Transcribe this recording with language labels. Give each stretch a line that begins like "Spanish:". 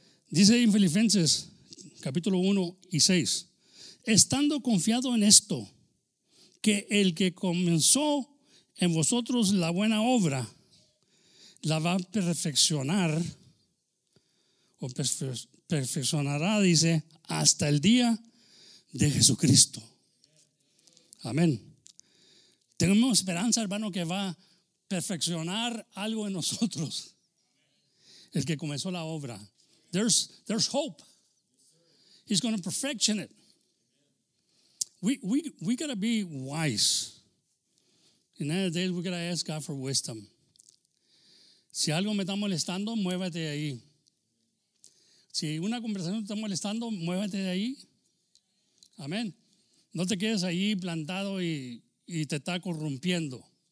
Spanish: Dice en Filipenses, capítulo 1 y 6, estando confiado en esto, que el que comenzó en vosotros la buena obra, la va a perfeccionar, o perfeccionará, dice, hasta el día de Jesucristo. Amén. Tenemos esperanza, hermano, que va a perfeccionar algo en nosotros. El que comenzó la obra.
English: There's hope. He's going to perfection it. We got to be wise. In other days, we got to ask God for wisdom.
Spanish: Si algo me está molestando, muévete de ahí. Si una conversación te está molestando, muévete de ahí. Amén. No te quedes ahí plantado y te está corrompiendo.